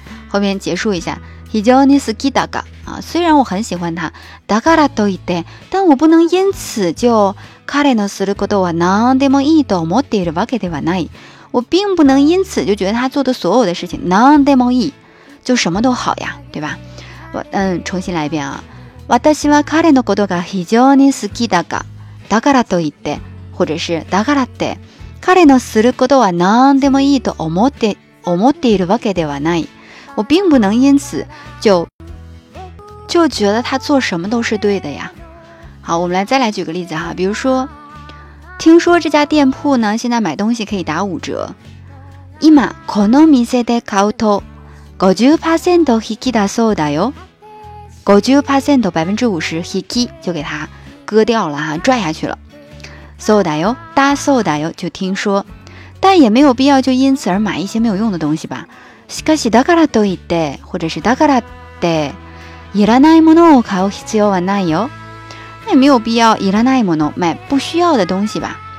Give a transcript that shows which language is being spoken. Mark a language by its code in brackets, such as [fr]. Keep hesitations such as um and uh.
[zh] 后面结束一下 [ja] 非常に好きだが， [zh] 啊，虽然我很喜欢他， [ja] だからとって [zh] 但我不能因此就。 [ja] 彼のすることは何でもいいと思っているわけではない。 [zh] 我并不能因此就觉得他做的所有的事情 [ja] 何でもいい。 [zh] 就什么都好呀。对吧我嗯重新来一遍啊。 [ja] 私は彼のことが非常に好きだが、だからと言って、或者是だからって、彼のすることは何でもいいと思って、思っているわけではない。 [zh] 我并不能因此就、就觉得他做什么都是对的呀。好，我们来再来举个例子哈。比如说，听说这家店铺呢，现在买东西可以打五折。 [ja] 今まこの店で買うと、五十パーセント引きだそうだよ。五十パーセント， [zh] 百分之五十，引き就给它割掉了哈，拽下去了。 [ja] そうだよ、だそうだよ， [zh] 就听说，但也没有必要就因此而买一些没有用的东西吧。 [ja] しかしだからといって、これでだからって、いらないものを買う必要はないよ。 [zh] 那也必要， [ja] いないもの [zh] 买不需要的东西吧。